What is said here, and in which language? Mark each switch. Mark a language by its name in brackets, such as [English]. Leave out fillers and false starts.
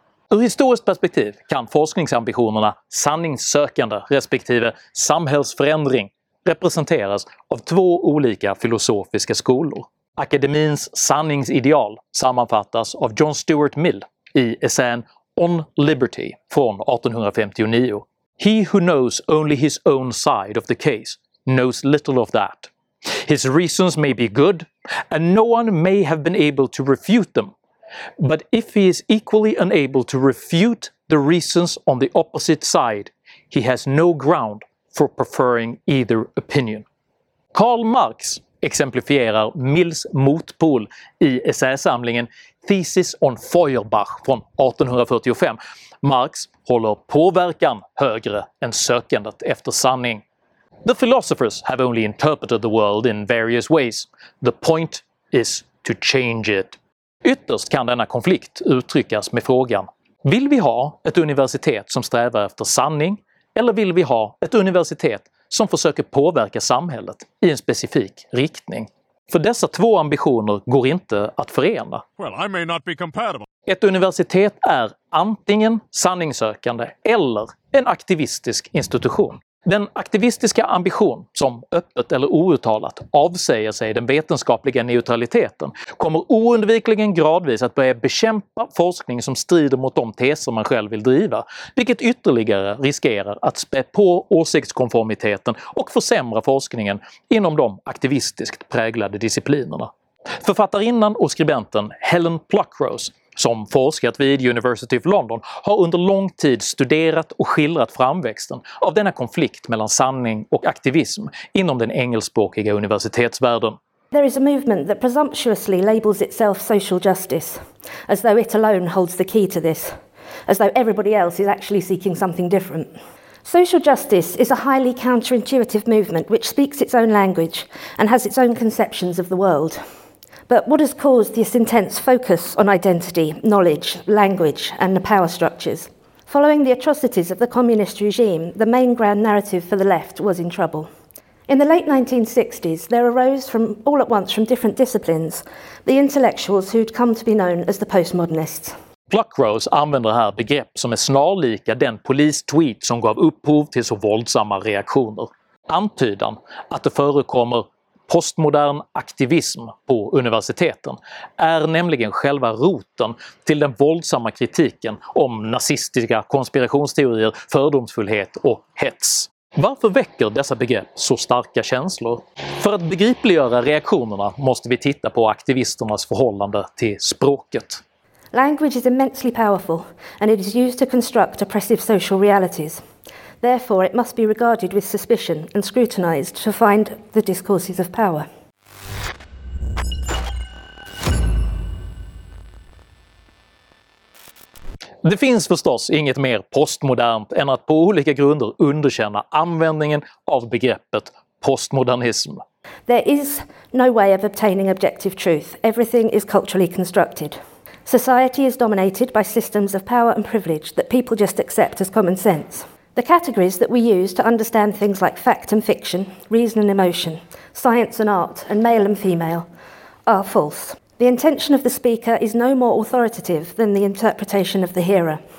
[Swedish] Ur historiskt perspektiv kan forskningsambitionerna sanningssökande respektive samhällsförändring representeras av 2 olika filosofiska skolor. Akademins sanningsideal sammanfattas av John Stuart Mill i essän On Liberty från 1859. [English] "He who knows only his own side of the case knows little of that. His reasons may be good, and no one may have been able to refute them. But if he is equally unable to refute the reasons on the opposite side, he has no ground for preferring either opinion." [Swedish] Karl Marx exemplifierar Mills motpol i essäsamlingen Thesis on Feuerbach från 1845. Marx håller påverkan högre än sökandet efter sanning. [English] "The philosophers have only interpreted the world in various ways. The point is to change it." [Swedish] Ytterst kan denna konflikt uttryckas med frågan: vill vi ha ett universitet som strävar efter sanning, eller vill vi ha ett universitet som försöker påverka samhället i en specifik riktning? För dessa 2 ambitioner går inte att förena. [English] Well, I may not be compatible. [Swedish] Ett universitet är antingen sanningssökande eller en aktivistisk institution. Den aktivistiska ambition som öppet eller outtalat avsäger sig den vetenskapliga neutraliteten kommer oundvikligen gradvis att börja bekämpa forskning som strider mot de teser man själv vill driva, vilket ytterligare riskerar att spä på åsiktskonformiteten och försämra forskningen inom de aktivistiskt präglade disciplinerna. Författarinnan och skribenten Helen Pluckrose, som forskat vid University of London, har under lång tid studerat och skildrat framväxten av denna konflikt mellan sanning och aktivism inom den engelskspråkiga universitetsvärlden. [English] There is a movement that presumptuously labels itself social justice, as though it alone holds the key to this, as though everybody else is actually seeking something different. Social justice is a highly counterintuitive movement which speaks its own language and has its own conceptions of the world. But what has caused this intense focus on identity, knowledge, language, and the power structures? Following the atrocities of the communist regime, the main grand narrative for the left was in trouble. In the late 1960s, there arose from all at once from different disciplines the intellectuals who'd come to be known as the postmodernists. [Swedish] Pluckrose använder här begrepp som är snarlika den polistweet som gav upphov till så våldsamma reaktioner. Antydan att det förekommer postmodern aktivism på universiteten är nämligen själva roten till den våldsamma kritiken om nazistiska konspirationsteorier, fördomsfullhet och hets. Varför väcker dessa begrepp så starka känslor? För att begripliggöra reaktionerna måste vi titta på aktivisternas förhållande till språket. [English] Language is immensely powerful and it is used to construct oppressive social realities. Therefore, it must be regarded with suspicion and scrutinized to find the discourses of power. [Swedish] Det finns förstås inget mer postmodernt än att på olika grunder underkänna användningen av begreppet postmodernism. [English] There is no way of obtaining objective truth. Everything is culturally constructed. Society is dominated by systems of power and privilege that people just accept as common sense. The categories that we use to understand things like fact and fiction, reason and emotion, science and art, and male and female are false. The intention of the speaker is no more authoritative than the interpretation of the hearer.